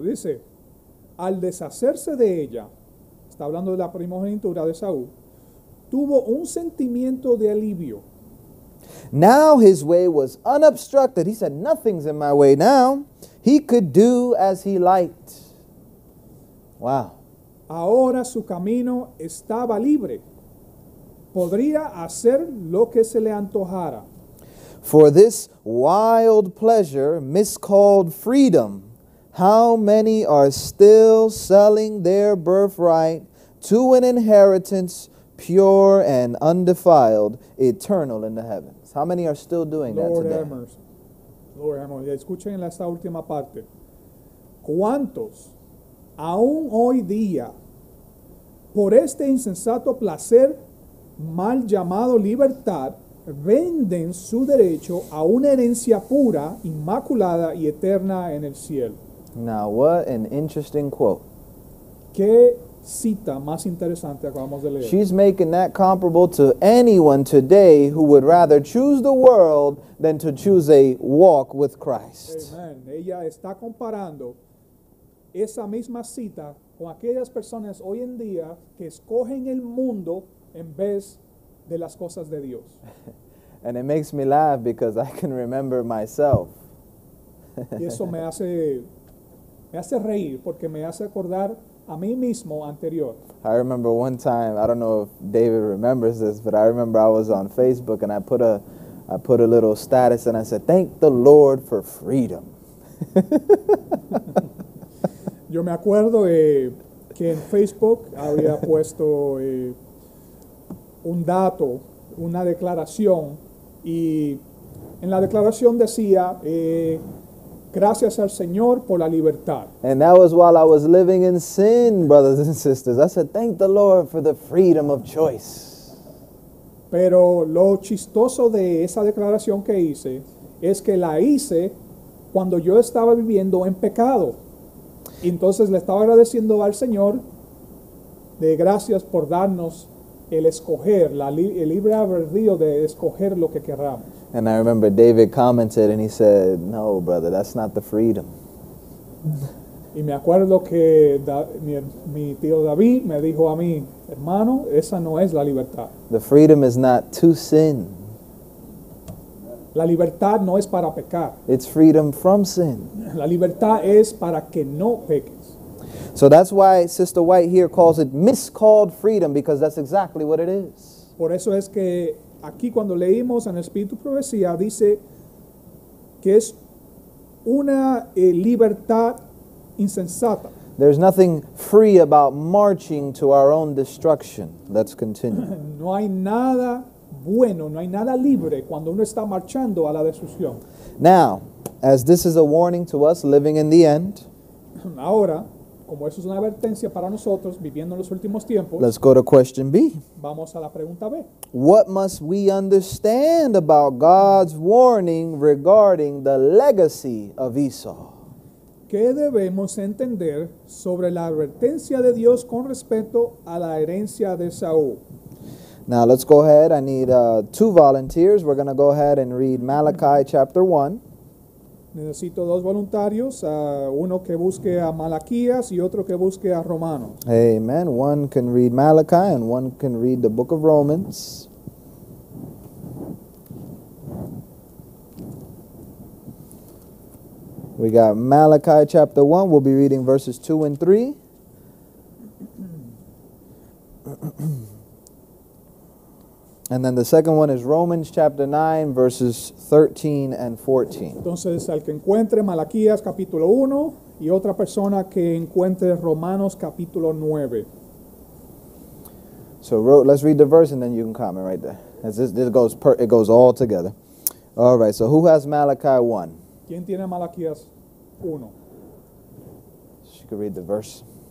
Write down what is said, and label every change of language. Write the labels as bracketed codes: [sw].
[es] Dice, al deshacerse de ella, está hablando de la primogenitura de Saúl, tuvo un sentimiento de alivio. [en] Now his way was unobstructed. He said, nothing's in my way now. He could do as he liked. Wow. [es] Ahora su camino estaba libre. Podría hacer lo que se le antojara. [en] For this wild pleasure, miscalled freedom, how many are still selling their birthright to an inheritance pure and undefiled, eternal in the heavens? How many are still doing Lord that today? Emerson. [es] Lord Emerson, escuchen en esta última parte. ¿Cuántos aún hoy día por este insensato placer mal llamado libertad venden su derecho a una herencia pura, inmaculada y eterna en el cielo? [en] Now, what an interesting quote. [es] ¿Qué cita más interesante acabamos de leer? [en] She's making that comparable to anyone today who would rather choose the world than to choose a walk with Christ. Amen. [es] Ella está comparando esa misma cita con aquellas personas hoy en día que escogen el mundo en vez de las cosas de Dios. [en] And it makes me laugh because I can remember myself. [es] Y eso me hace reír porque me hace acordar a mí mismo anterior. [en] I remember one time, I don't know if David remembers this, but I remember I was on Facebook and I put a little status and I said, thank the Lord for freedom. [es] Yo me acuerdo que en Facebook había puesto un dato, una declaración, y en la declaración decía, gracias al Señor por la libertad. [en] And that was while I was living in sin, brothers and sisters. I said, thank the Lord for the freedom of choice. [es] Pero lo chistoso de esa declaración que hice es que la hice cuando yo estaba viviendo en pecado. Y entonces le estaba agradeciendo al Señor de gracias por darnos el escoger, el libre albedrío de escoger lo que queramos. [en] And I remember David commented and he said, no, brother, that's not the freedom. [es] Y me acuerdo que mi tío David me dijo a mí, hermano, esa no es la libertad. [en] The freedom is not to sin. [es] La libertad no es para pecar. [en] It's freedom from sin. [es] La libertad es para que no peques. [en] So that's why Sister White here calls it miscalled freedom, because that's exactly what it is. [es] Por eso es que aquí cuando leímos en Espíritu Profecía dice que es una libertad insensata. [en] There's nothing free about marching to our own destruction. Let's continue. [es] No hay nada bueno, no hay nada libre cuando uno está marchando a la destrucción. [en] Now, as this is a warning to us living in the end. [es] Ahora, como eso es una advertencia para nosotros viviendo en los últimos tiempos. [en] Let's go to question B. [es] Vamos a la pregunta B. [en] What must we understand about God's warning regarding the legacy of Esau? [es] ¿Qué debemos entender sobre la advertencia de Dios con respecto a la herencia de Saúl? [en] Now let's go ahead. I need two volunteers. We're going to go ahead and read Malachi chapter 1. [es] Necesito dos voluntarios, uno que busque a Malaquías y otro que busque a Romanos. Amen. [en] One can read Malachi and one can read the book of Romans. We got Malachi chapter 1. We'll be reading verses 2 and 3. And then the second one is Romans chapter 9, verses 13 and 14. [es] Entonces, al que encuentre Malaquías capítulo 1 y otra persona que encuentre Romanos capítulo 9. [en] So let's read the verse and then you can comment right there. As it goes all together. All right, so who has Malachi 1? [es] ¿Quién tiene Malaquías 1? [en] She could read the verse.